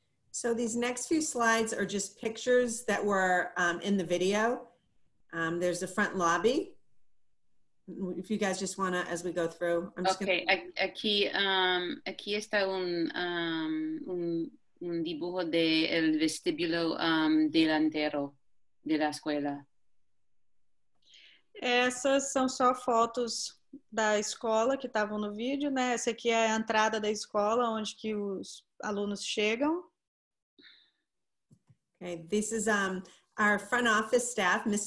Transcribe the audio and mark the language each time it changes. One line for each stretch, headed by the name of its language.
English: So these next few slides are just pictures that were in the video. There's the front lobby. If you guys just want to, as we go through. I'm just okay, gonna...
Spanish: aquí está un dibujo del vestíbulo delantero de la escuela.
Portuguese: Essas são só fotos da escola que estavam no vídeo, né? Essa aqui é a entrada da escola, onde que os alunos chegam.
English: Okay, this is our front office staff, Ms.